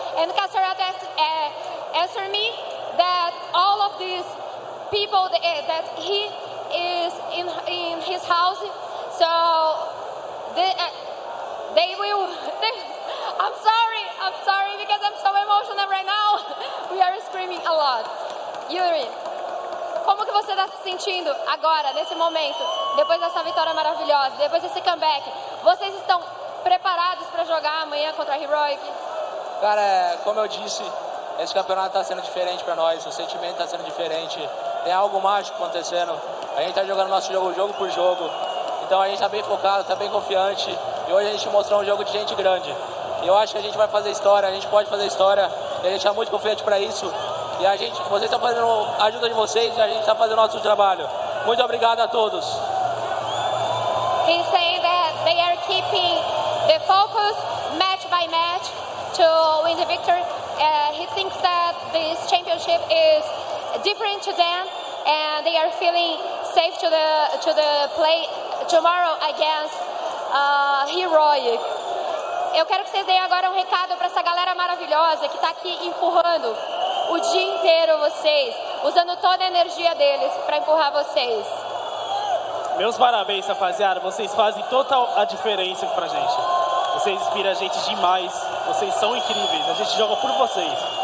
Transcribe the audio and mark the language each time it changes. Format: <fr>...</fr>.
<en>And Cacerata answer me that all of these people that he is in his house, so they will. I'm sorry because I'm so emotional right now. We are screaming a lot.</en> <pt>Yuri, como que você está se sentindo agora, nesse momento, depois dessa vitória maravilhosa, depois desse comeback? Vocês estão preparados para jogar amanhã contra a Heroic? Cara, como eu disse, esse campeonato está sendo diferente para nós, o sentimento está sendo diferente. Tem algo mágico acontecendo. A gente está jogando nosso jogo por jogo. Então a gente está bem focado, está bem confiante. E hoje a gente mostrou um jogo de gente grande. E eu acho que a gente vai fazer história, a gente pode fazer história. E a gente está muito confiante para isso. E a gente, vocês estão fazendo a ajuda de vocês e a gente está fazendo nosso trabalho. Muito obrigado a todos.</pt> <en>He's saying that they are keeping the focus match by match to win the victory. He thinks that this championship is different to them and they are feeling safe to the play tomorrow against Heroic.</en> <pt>Eu quero que vocês deem agora um recado para essa galera maravilhosa que está aqui empurrando o dia inteiro vocês, usando toda a energia deles para empurrar vocês. Meus parabéns, rapaziada. Vocês fazem toda a diferença pra gente. Vocês inspiram a gente demais. Vocês são incríveis. A gente joga por vocês.</pt>